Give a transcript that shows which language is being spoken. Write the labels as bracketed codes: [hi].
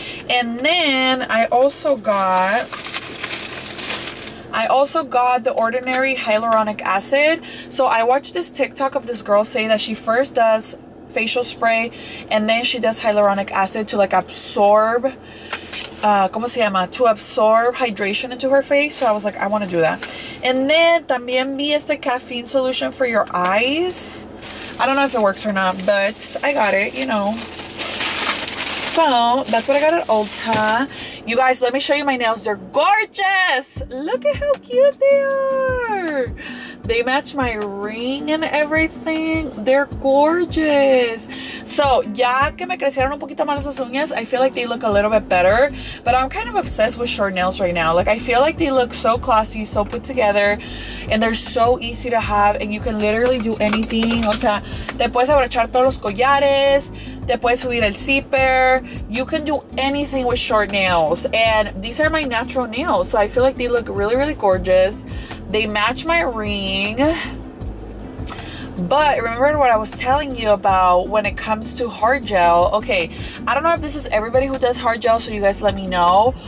[en] And then I also got the Ordinary Hyaluronic Acid. So I watched this TikTok of this girl saying that she first does facial spray and then she does hyaluronic acid to like absorb to absorb hydration into her face. So I was like, I want to do that. And then [es] también vi este [en] caffeine solution for your eyes. I don't know if it works or not, but I got it, you know. So that's what I got at Ulta. You guys, let me show you my nails. They're gorgeous. Look at how cute they are. They match my ring and everything. They're gorgeous. So, [es] ya que me crecieron un poquito más las uñas, [en] I feel like they look a little bit better. But I'm kind of obsessed with short nails right now. Like, I feel like they look so classy, so put together. And they're so easy to have. And you can literally do anything. [es] O sea, te puedes abrochar todos los collares. Te puedes subir el zipper. [en] You can do anything with short nails. And these are my natural nails. So, I feel like they look really, really gorgeous. They match my ring. But remember what I was telling you about when it comes to hard gel. Okay, I don't know if this is everybody who does hard gel, so you guys let me know.